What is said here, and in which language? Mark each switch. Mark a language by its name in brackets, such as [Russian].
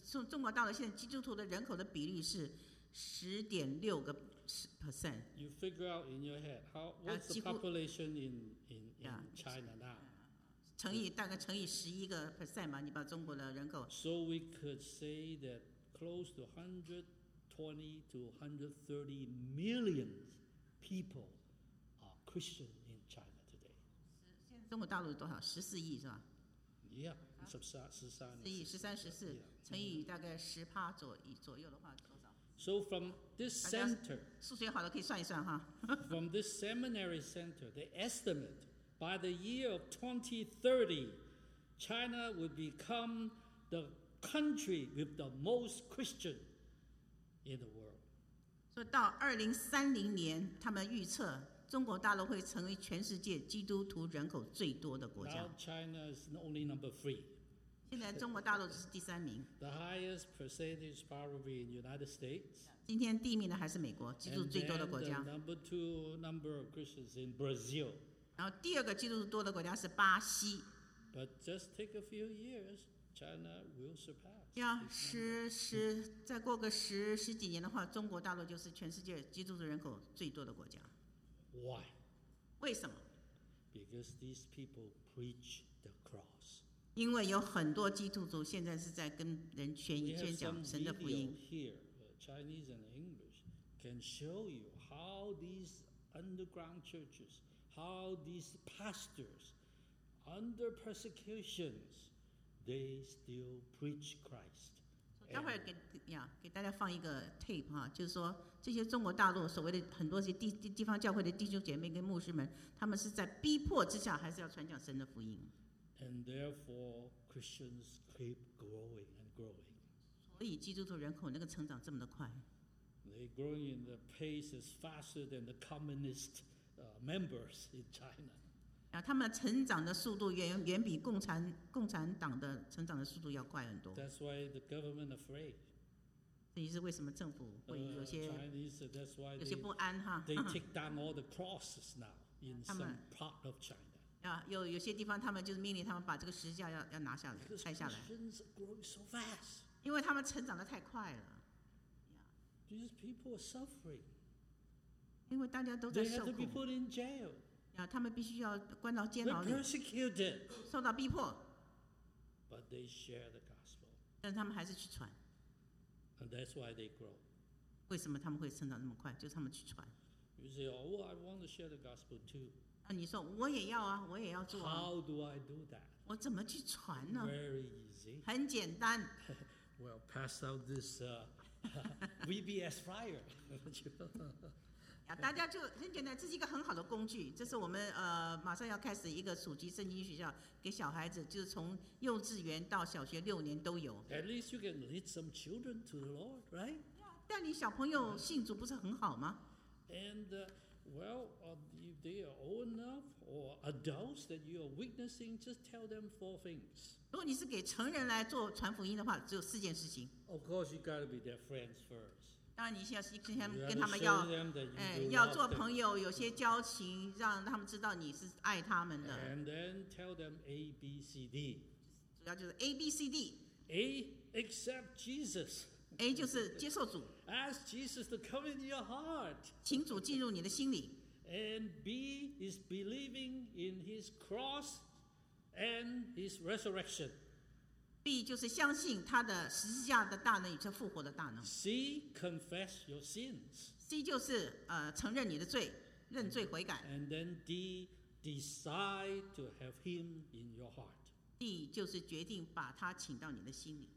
[Chinese] 中国大陆现在基督徒的人口的比例是10.6%。 [English] You figure out in your head how what's the population in China now? [Chinese] 乘以大概乘以11%嘛，你把中国的人口。 [English] So we could say that close to 120 120 to 130 million people are Christian in China today. [Chinese] 中国大陆多少？14亿是吧？ [English] Yeah, 13, 14, [Chinese] 乘以大概 10% 左右的话，多少？ [English] So from this center, [Chinese] 数学好了可以算一算哈。 [English] From this seminary center, they estimate by the year of 2030, China would become the country with the most Christian in the world. [Chinese] 所以到2030年，他们预测中国大陆会成为全世界基督徒人口最多的国家。 [English] Now China is only number three. [Chinese] 现在中国大陆只是第三名。 [English] The highest percentage probably in United States. [Chinese] 今天第一名的还是美国，基督最多的国家。 [English] And then the number two number of Christians in Brazil. [Chinese] 然后第二个基督徒多的国家是巴西。 [English] But just take a few years, China will surpass. [Chinese] 要十再过个十几年的话，中国大陆就是全世界基督徒人口最多的国家。 [English] Why? [Chinese] 为什么? [English] Because these people preach the cross. [Chinese] 因为有很多基督徒现在是在跟人宣讲神的福音。 [English] We have some video here, Chinese and English, can show you how these underground churches, how these pastors, under persecutions, they still preach Christ. [Chinese] 待会儿 给大家放一个 tape 哈，就是说这些中国大陆所谓的很多些 地方教会的弟兄姐妹跟牧师们，他们是在逼迫之下还是要传讲神的福音。 [English] And therefore Christians keep growing and growing. [Chinese] 所以基督徒人口那个成长这么的快。 [English] They growing in the pace is faster than the communist members in China. [Chinese] 他们成长的速度 远比共产党的成长的速度要快很多。 [English] That's why the government afraid. [Chinese] 这也是为什么政府会有些 [English] Chinese, that's why [Chinese] 有些不安哈。 [English] They take down all the crosses now in some part of China. [Chinese] 有些地方他们就是命令他们把这个十字架要拿下来，拆下来。 [English] Christians are growing so fast. [Chinese] 因为他们成长的太快了。 [English] These people are suffering. [Chinese] 因为大家都在受苦。 [English] They have to be put in jail. [Chinese] 他们必须要关到监牢里，受到逼迫。 [English] But they share the gospel. [Chinese] 但他们还是去传。 [English] And that's why they grow. [Chinese] 为什么他们会成长那么快？就是他们去传。 [English] You say, "Oh, I want to share the gospel too." [Chinese] 你说我也要啊，我也要做啊。 [English] How do I do that? [Chinese] 我怎么去传呢？ [English] Very easy. [Chinese] 很简单。 [English] Well, pass out this VBS flyer. [Chinese] 大家就很简单，这是一个很好的工具。这是我们马上要开始一个暑期圣经学校，给小孩子，就是从幼稚园到小学六年都有。 [English] At least you can lead some children to the Lord, right? [Chinese] 带领小朋友信主不是很好吗 [English] ？And well, if they are old enough or adults that you are witnessing, just tell them four things. [Chinese] 如果你是给成人来做传福音的话，只有四件事情。 [English] Of course, you got to be their friends first. [Chinese] 当然你要跟他们 要做朋友，有些交情，让他们知道你是爱他们的。 [English] And then tell them A, B, C, D. [Chinese] 主要就是 A, B, C, D. [English] A, accept Jesus. [Chinese] A 就是接受主。 [English] Ask Jesus to come into your heart. [Chinese] 请主进入你的心里。 [English] And B is believing in his cross and his resurrection. [Chinese] B 就是相信他的十字架的大能与他复活的大能。 [English] C confess your sins. [Chinese] C 就是承认你的罪，认罪悔改。 [English] And then D decide to have him in your heart. [Chinese] D 就是决定把他请到你的心里。